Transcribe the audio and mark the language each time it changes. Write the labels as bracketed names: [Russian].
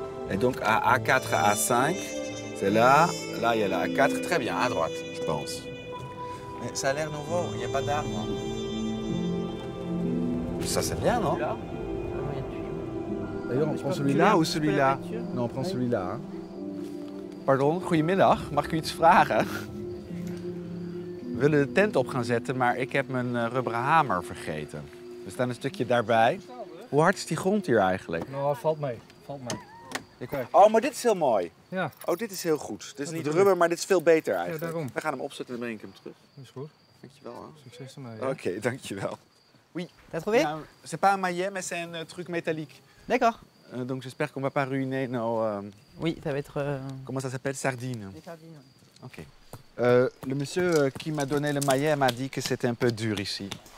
[French] Et donc à A4, A5, c'est là. Là, il y a la A4, très bien, à droite, je pense. Ça a l'air nouveau, il n'y a pas d'arbre. Ça, c'est bien, non? D'ailleurs, on prend celui-là ou celui-là? Non, on prend celui-là. [Dutch] Pardon, goedemiddag. Mag ik u iets vragen? We willen de tent op gaan zetten, maar ik heb mijn rubberen hamer vergeten. We staan een stukje daarbij. Hoe hard is die grond hier eigenlijk? Nou, valt mee. Valt mee. Oh, maar dit is heel mooi. Ja. Oh, dit is heel goed. Dit is niet rubber, maar dit is veel beter eigenlijk. Ja, daarom. We gaan hem opzetten en dan breng ik hem terug. Is goed. Dankjewel. Hoor. Succes ermee. Ja. Oké, dankjewel. [French] Oui. T'as trouvé? C'est pas un maillet, mais c'est un truc métallique. D'accord. Donc j'espère qu'on va pas ruiner nos... Oui, ça va être... Comment ça s'appelle? Sardines. Les sardines, oui. Ok. Le monsieur qui m'a donné le maillet m'a dit que c'était un peu dur ici.